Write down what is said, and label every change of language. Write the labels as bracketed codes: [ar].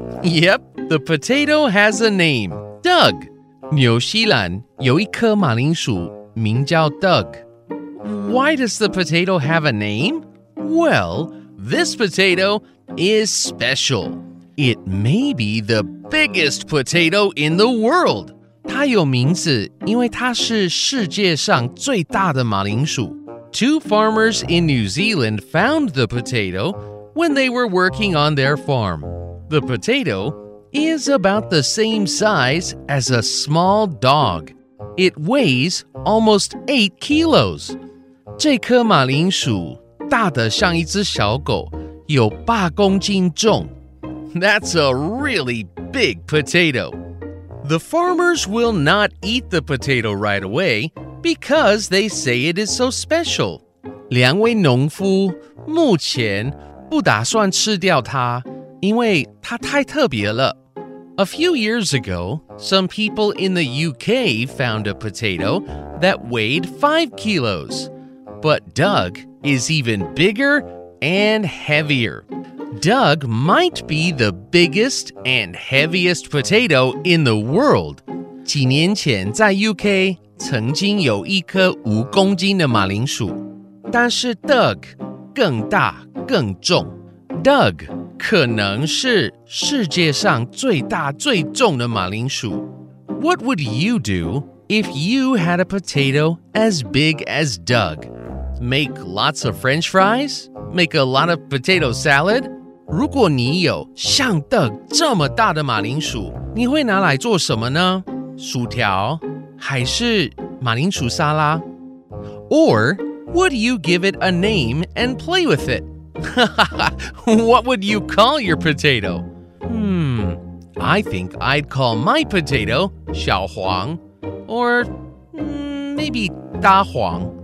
[en] Yep, the potato has a name, Doug. [zh] 纽西兰有一颗马铃薯名叫 Doug. [en] Why does the potato have a name? Well, this potato is special. It may be the biggest potato in the world. [zh] 它有名字因为它是世界上最大的马铃薯。 [en] Two farmers in New Zealand found the potato when they were working on their farm. The potato is about the same size as a small dog. It weighs almost 8 kilos. [zh] 这颗马铃薯大得像一只小狗，有八公斤重。 [en] That's a really big potato. The farmers will not eat the potato right away. Because they say it is so special. [zh] 两位农夫目前不打算吃掉它，因为它太特别了。 [en] A few years ago, some people in the UK found a potato that weighed 5 kilos. But Doug is even bigger and heavier. Doug might be the biggest and heaviest potato in the world. [zh] 几年前在 UK,曾经有一颗五公斤的马铃薯，但是 Doug 更大更重。 Doug 可能是世界上最大最重的马铃薯。 [en] What would you do if you had a potato as big as Doug? Make lots of French fries? Make a lot of potato salad? [zh] 如果你有像 Doug 这么大的马铃薯，你会拿来做什么呢？薯条？还是马铃薯沙拉? [en] Or would you give it a name and play with it? What would you call your potato? I think I'd call my potato 小黄 or maybe 大黄.